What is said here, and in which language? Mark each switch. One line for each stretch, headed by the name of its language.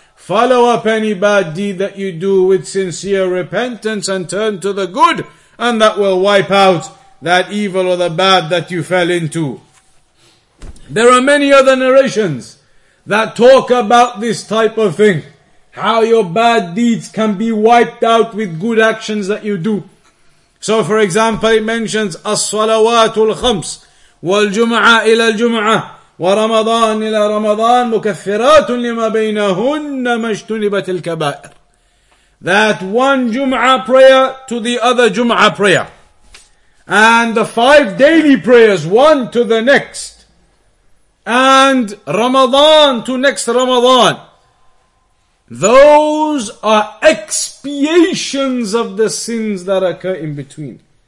English: Follow up any bad deed that you do with sincere repentance and turn to the good, and that will wipe out that evil or the bad that you fell into. There are many other narrations that talk about this type of thing, how your bad deeds can be wiped out with good actions that you do. So for example, it mentions
Arabic: الصلوات الخمس والجمعه الى الجمعه ورمضان إلى رمضان مكفرات لما بينهن ما اجتنبت الكبائر.
English: That one Jum'ah prayer to the other Jum'ah prayer, and the five daily prayers one to the next, and Ramadan to next Ramadan, those are expiations of the sins that occur in between.